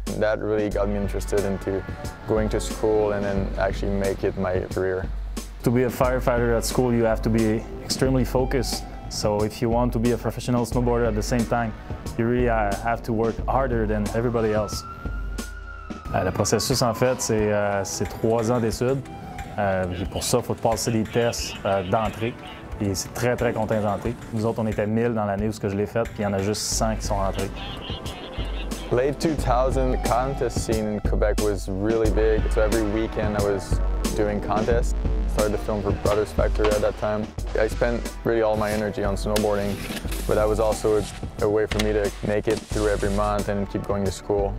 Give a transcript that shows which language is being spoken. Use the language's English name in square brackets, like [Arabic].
[English] That really got me interested into going to school and then actually make it my career. To be a firefighter at school, you have to be extremely focused. So if you want to be a professional snowboarder at the same time, you really have to work harder than everybody else. [French] Le processus, en fait, c'est 3 ans d'études. Pour ça, il faut passer des tests d'entrée. Et c'est très, très contingenté. Nous autres, on était 1000 dans l'année où je l'ai fait, puis il y en a juste 100 qui sont entrés. [English] Late 2000, the contest scene in Quebec was really big. So every weekend, I was doing contests. Started to film for Brothers Factory at that time. I spent really all my energy on snowboarding, but that was also a way for me to make it through every month and keep going to school.